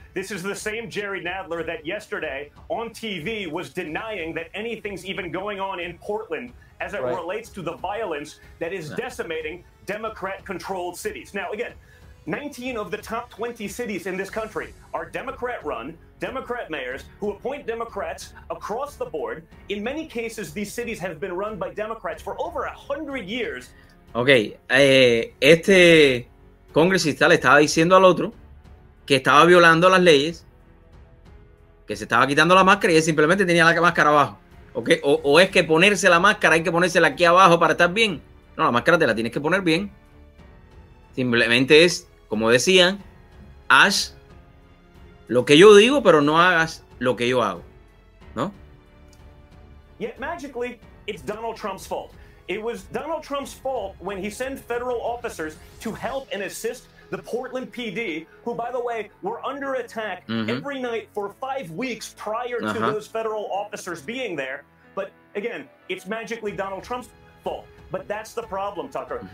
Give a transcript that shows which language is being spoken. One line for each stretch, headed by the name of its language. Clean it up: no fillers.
English: This is the same Jerry Nadler that yesterday on TV was denying that anything's even going on in Portland as it relates to the violence that is decimating Democrat-controlled cities. Now, again, 19 of the top 20 cities in this country are Democrat-run, Democrat mayors who appoint Democrats across the board. In many cases, these cities have been run by Democrats for over 100 years.
Spanish: Okay, este congresista le estaba diciendo al otro que estaba violando las leyes, que se estaba quitando la máscara y él simplemente tenía la máscara abajo. Okay, o es que ponerse la máscara, hay que ponérsela aquí abajo para estar bien. No, la máscara te la tienes que poner bien. Simplemente es, como decían, haz lo que yo digo, pero no hagas lo que yo hago, ¿no?
English: Yet magically, it's Donald Trump's fault. It was Donald Trump's fault when he sent federal officers to help and assist the Portland PD, who, by the way, were under attack every night for 5 weeks prior to those federal officers being there. But again, it's magically Donald Trump's fault. But that's the problem, Tucker.